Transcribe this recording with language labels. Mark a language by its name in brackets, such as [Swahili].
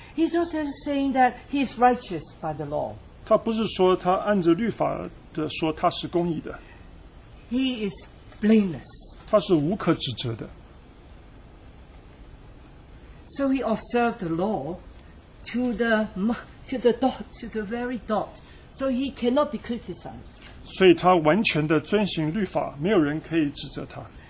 [English] He's not just saying that he is righteous by the law. [Chinese] 他不是说他按着律法的说他是公义的。 [English] He is blameless. [Chinese] 他是无可指责的。 [English] So he observed the law to the to the very dot, so he cannot be criticized. [Chinese] 所以他完全的遵行律法, 没有人可以指责他。